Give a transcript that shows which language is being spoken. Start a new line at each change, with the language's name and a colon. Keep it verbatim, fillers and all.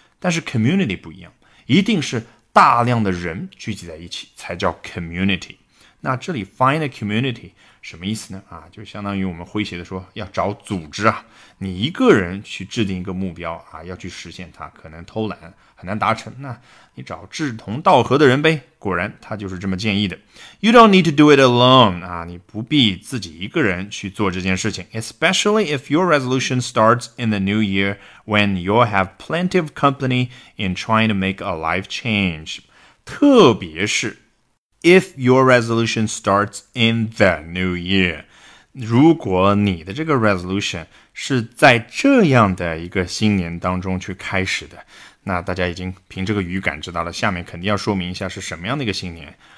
Chinese: 但是 community 不一样，一定是大量的人聚集在一起才叫 community。那这里
English: find a community
Chinese: 什么意思呢？啊，就相当于我们诙谐的说要找组织啊，你一个人去制定一个目标啊，要去实现它，可能偷懒很难达成，那你找志同道合的人呗。果然他就是这么建议的。
English: You don't need to do it alone 啊，
Chinese: 你不必自己一个人去做这件事情，
English: especially if your resolution starts in the new year when you'll have plenty of company in trying to make a life change。
Chinese: 特别是
English: if your resolution starts in the new year，
Chinese: 如果你的这个 resolution 是在这样的一个新年当中去开始的，那大家已经凭这个语感知道了，下面肯定要说明一下是什么样的一个新年。